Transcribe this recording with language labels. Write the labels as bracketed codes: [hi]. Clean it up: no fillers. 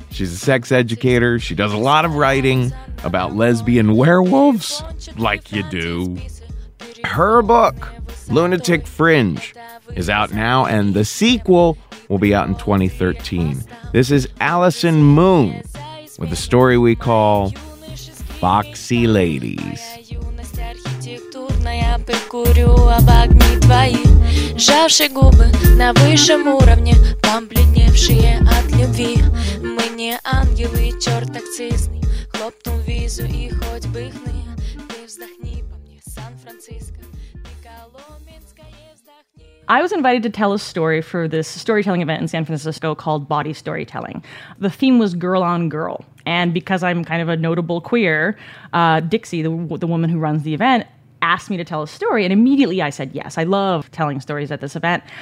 [en] She's a sex educator. She does a lot of writing about lesbian werewolves, like you do. Her book, Lunatic Fringe, is out now, and the sequel will be out in 2013. This is Allison Moon with a story we call Foxy Ladies. [ru] Я прикурю об огни твои, сжавши губы на высшем уровне, побледневшие от любви. Мы не ангелы, черт акцизный, хлопнул визу и хоть бы хны. Ты вздохни по мне, Сан-Франциско, ты Коломенская, вздохни. [en] I was invited to tell a story for this storytelling event in San Francisco called Body Storytelling. The theme was girl on girl. And because I'm kind of a notable queer, Dixie, the woman who runs the event, asked me to tell a story, and immediately I said yes. I love telling stories at this event.